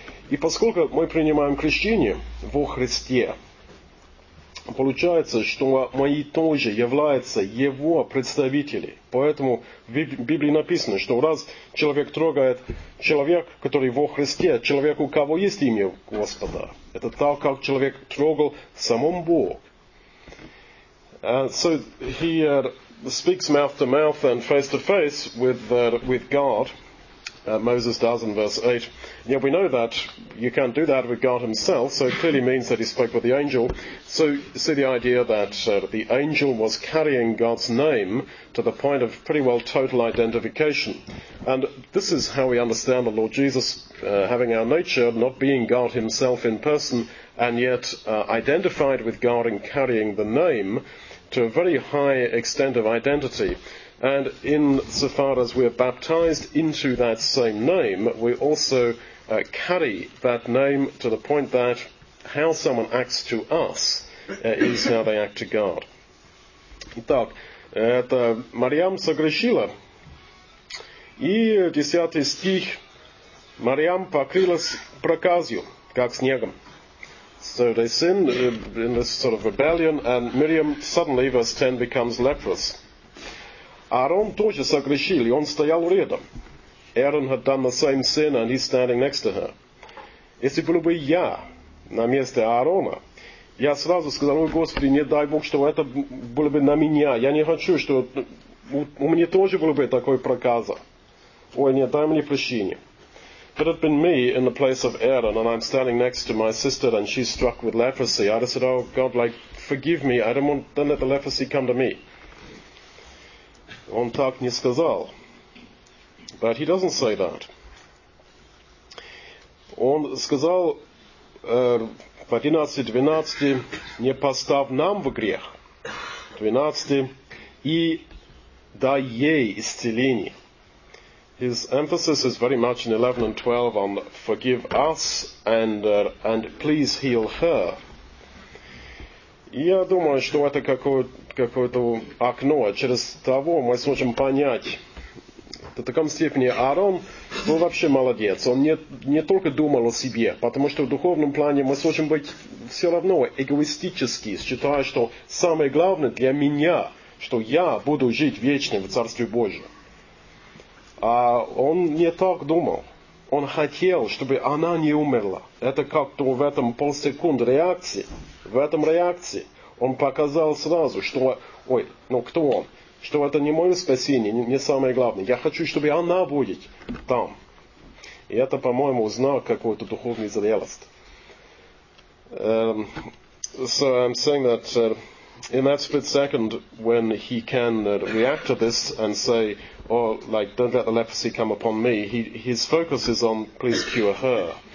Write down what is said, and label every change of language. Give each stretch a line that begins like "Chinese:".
Russian: И поскольку мы принимаем крещение во Христе, получается, что мои тоже являются Его представители. Поэтому в Библии написано, что раз человек трогает человек, который во Христе, человек, у кого есть имя Господа, это так, как человек трогал самом Бог.
English: So he speaks mouth to mouth and face to face with God. Moses does in verse 8. And yet we know that you can't do that with God himself, so it clearly means that he spoke with the angel. So see the idea that the angel was carrying God's name to the point of pretty well total identification. And this is how we understand the Lord Jesus having our nature, not being God himself in person, and yet identified with God in carrying the name to a very high extent of identity. And insofar as we are baptized into that same name, we also carry that name to the point that how someone acts to us is how they act to God.
Russian: Итак, это Мариам согрешила. И 10 стих. Мариам покрылась проказью, как снегом.
English: So they sin in this sort of rebellion, and Miriam suddenly, verse 10, becomes leprous.
Russian: Aaron тоже согрешил, и он стоял рядом.
English: Aaron had done the same sin, and he's standing next to her.
Russian: Если был бы я на месте Аарона, я сразу сказал: «Ой, Господи, не дай Бог, что это было бы на меня. Я не хочу, что у меня тоже было бы такой проказа. Ой, не дай мне прощения».
English: If it had been me in the place of Aaron, and I'm standing next to my sister, and she's struck with leprosy, I'd have said, oh God, like, forgive me, I don't want, don't let the leprosy come to me.
Russian: Он так не сказал.
English: But he doesn't say that.
Russian: Он сказал, в 11-12, не постав нам в грех, 12, и дай ей исцеление.
English: His emphasis is very much in 11 and 12 on forgive us and please heal her.
Russian: Я думаю, что это какое-то окно, через того мы сможем понять. В таком степени Аарон был вообще молодец. Он не только думал о себе, потому что в духовном плане мы сможем быть все равно эгоистически, считая, что самое главное для меня, что я буду жить вечно в Царстве Божьем. А он не так думал. Он хотел, чтобы она не умерла. Это как-то в этом полсекунды реакции. В этом реакции он показал сразу, что... Ой, ну кто он? Что это не мое спасение, не самое главное. Я хочу, чтобы она будет там. И это, по-моему, знак какой-то духовной зрелости.
English: So I'm saying that in that split second when he can react to this and say... Or, like, don't let the leprosy come upon me. His focus is on, please cure her.